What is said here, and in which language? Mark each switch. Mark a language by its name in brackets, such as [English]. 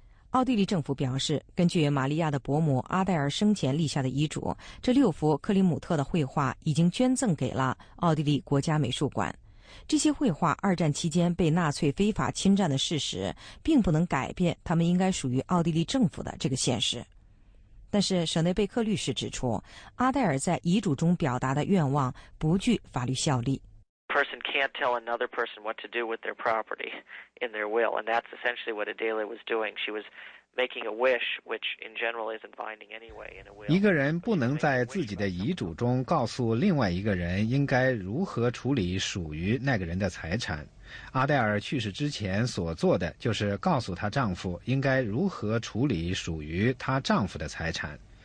[Chinese] 奥地利政府表示，根据玛利亚的伯母阿黛尔生前立下的遗嘱，这六幅克里姆特的绘画已经捐赠给了奥地利国家美术馆。这些绘画二战期间被纳粹非法侵占的事实并不能改变他们应该属于奥地利政府的这个现实。但是舍内贝克律师指出，阿黛尔在遗嘱中表达的愿望不具法律效力。 [English] Person can't tell another person what to do with their property in their will, and that's essentially what Adele was doing. She was making a wish, which in general isn't binding anyway in a will. [Chinese] 一个人不能在自己的遗嘱中告诉另外一个人应该如何处理属于那个人的财产。阿黛尔去世之前所做的就是告诉她丈夫应该如何处理属于她丈夫的财产。